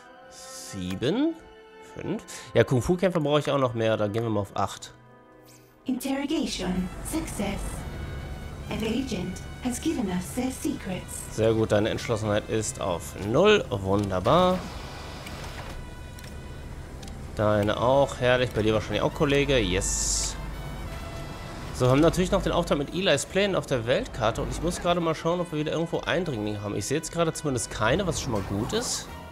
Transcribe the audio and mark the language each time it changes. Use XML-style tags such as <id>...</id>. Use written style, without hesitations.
<de>7. 5. Ja, Kung-Fu-Kämpfer brauche ich auch noch mehr. Da gehen wir mal auf 8.</de> <en>Interrogation success. An agent has given us their secrets.</en> <de>Sehr gut, deine Entschlossenheit ist auf 0. Wunderbar. Deine auch. Herrlich. Bei dir wahrscheinlich auch, Kollege. Yes. So, haben natürlich noch den Auftrag mit Elis Plänen auf der Weltkarte. Und ich muss gerade mal schauen, ob wir wieder irgendwo Eindringlinge haben. Ich sehe jetzt gerade zumindest keine, was schon mal gut ist.</de>